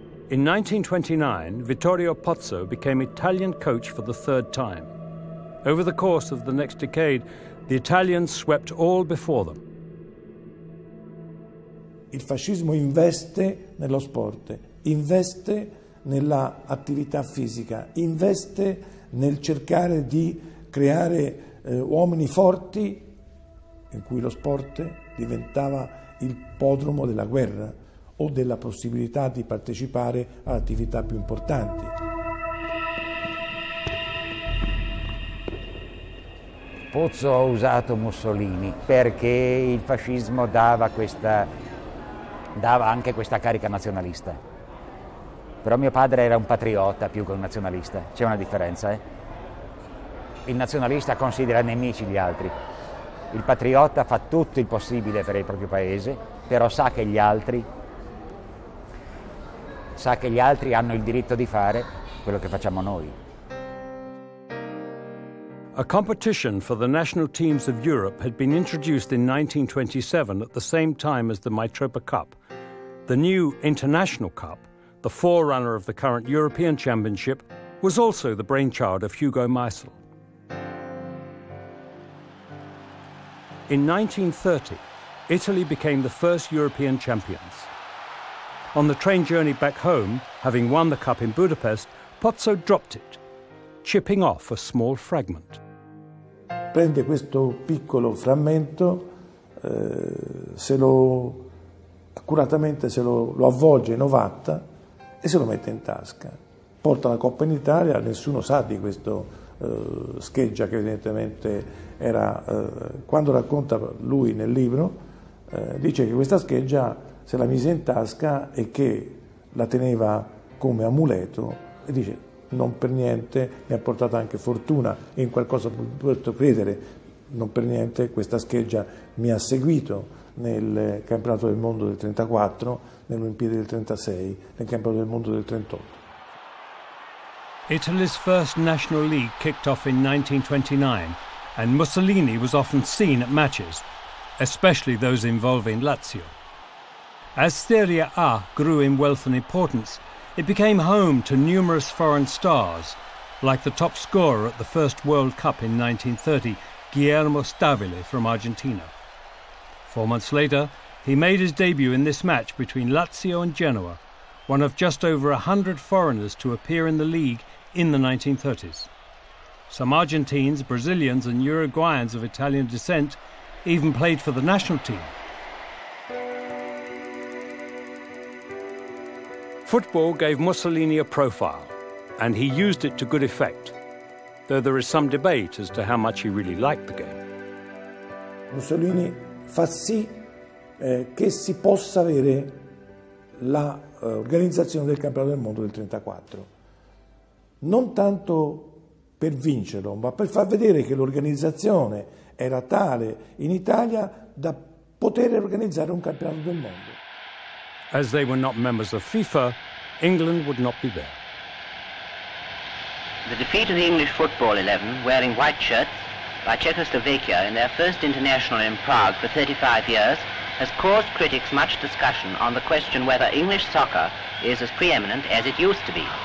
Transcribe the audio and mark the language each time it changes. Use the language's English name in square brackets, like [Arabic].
[English] In 1929, Vittorio Pozzo became Italian coach for the third time. Over the course of the next decade, the Italians swept all before them. [Italian] Il fascismo investe nello sport, investe nella attività fisica, investe nel cercare di creare uomini forti, in cui lo sport diventava il podromo della guerra o della possibilità di partecipare a attività più importanti. Pozzo ha usato Mussolini perché il fascismo dava anche questa carica nazionalista. Però mio padre era un patriota più che un nazionalista. C'è una differenza, eh? Il nazionalista considera nemici gli altri. Il patriota fa tutto il possibile per il proprio paese, però sa che gli altri hanno il diritto di fare quello che facciamo noi. [English] A competition for the national teams of Europe had been introduced in 1927 at the same time as the Mitropa Cup. The new International Cup, the forerunner of the current European Championship, was also the brainchild of Hugo Maisel. In 1930, Italy became the first European champions. On the train journey back home, having won the cup in Budapest, Pozzo dropped it, chipping off a small fragment. [Italian] Prende questo piccolo frammento, accuratamente lo avvolge in ovatta e se lo mette in tasca. Porta la Coppa in Italia, nessuno sa di questo scheggia che evidentemente era, quando racconta lui nel libro, dice che questa scheggia se la mise in tasca e che la teneva come amuleto e dice: non per niente mi ha portato anche fortuna, in qualcosa potuto credere, non per niente questa scheggia mi ha seguito nel campionato del mondo del 34, nell'Olimpiade del 36, nel campionato del mondo del 38. [English] Italy's first national league kicked off in 1929 and Mussolini was often seen at matches, especially those involving Lazio. As Serie A grew in wealth and importance, it became home to numerous foreign stars, like the top scorer at the first World Cup in 1930, Guillermo Stabile from Argentina. 4 months later, he made his debut in this match between Lazio and Genoa, one of just over 100 foreigners to appear in the league in the 1930s. Some Argentines, Brazilians and Uruguayans of Italian descent even played for the national team. Football gave Mussolini a profile, and he used it to good effect, though there is some debate as to how much he really liked the game. [Italian] Mussolini fa sì che si possa avere la organizzazione del campionato del mondo del 34. Non tanto per vincerlo, ma per far vedere che l'organizzazione era tale in Italia da poter organizzare un campionato del mondo. [English] As they were not members of FIFA, England would not be there. The defeat of the English football 11, wearing white shirts, by Czechoslovakia in their first international in Prague for 35 years, has caused critics much discussion on the question whether English soccer is as preeminent as it used to be.